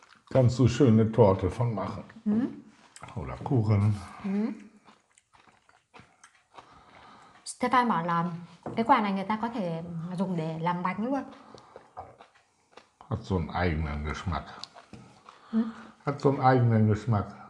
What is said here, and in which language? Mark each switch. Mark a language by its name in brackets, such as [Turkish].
[German] Kannst du schöne Torte von machen? Oder Kuchen? [Vietnamese] Stefan bảo là cái quả này người ta có thể dùng để làm bánh luôn. [German] Hat so einen eigenen Geschmack. Hat so einen eigenen Geschmack.